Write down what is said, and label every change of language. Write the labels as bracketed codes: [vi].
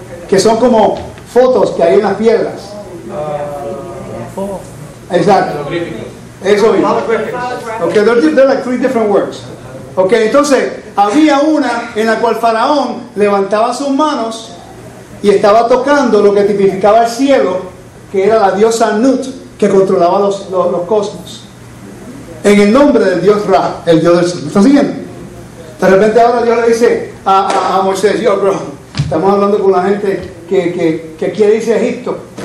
[es] Que son como fotos que hay en las piedras. Exacto. Eso mismo. [en] Okay, they're like three different words. [es] Okay, entonces, había una en la cual Faraón levantaba sus manos y estaba tocando lo que tipificaba el cielo, que era la diosa Nut, que controlaba los cosmos. En el nombre del dios Ra, el dios del cielo. ¿Me están siguiendo? De repente ahora Dios le dice a Moisés, yo, bro, estamos hablando con la gente que quiere irse a Egipto.